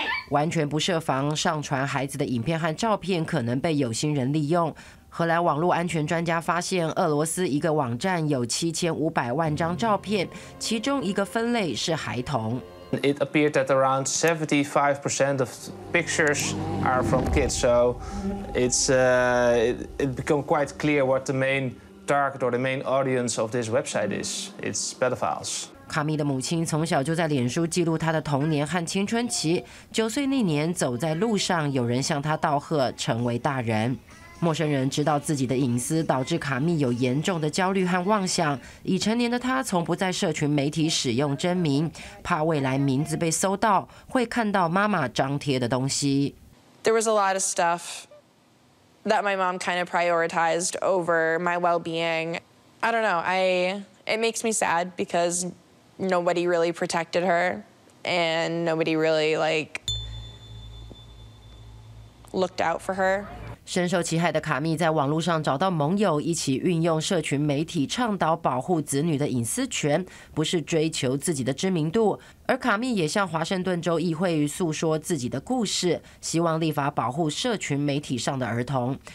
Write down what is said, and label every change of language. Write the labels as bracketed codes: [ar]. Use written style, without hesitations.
[zh] 完全不设防上传孩子的影片和照片，可能被有心人利用。荷兰网络安全专家发现，俄罗斯一个网站有7500万张照片，其中一个分类是孩童。 [en] It appeared that around 75% of pictures are from kids, so it become quite clear what the main target or the main audience of this website is. It's pedophiles. [zh] 卡米的母亲从小就在脸书记录她的童年和青春期。 9岁那年，走在路上，有人向她道贺，成为大人。陌生人知道自己的隐私，导致卡米有严重的焦虑和妄想。已成年的她从不在社群媒体使用真名，怕未来名字被搜到，会看到妈妈张贴的东西。 [en] There was a lot of stuff that my mom kind of prioritized over my well-being. I don't know. It makes me sad because. Nobody really protected her, and nobody really looked out for her. [zh] 深受其害的卡蜜在网络上找到盟友，一起运用社群媒体倡导保护子女的隐私权，不是追求自己的知名度。而卡蜜也向华盛顿州议会诉说自己的故事，希望立法保护社群媒体上的儿童。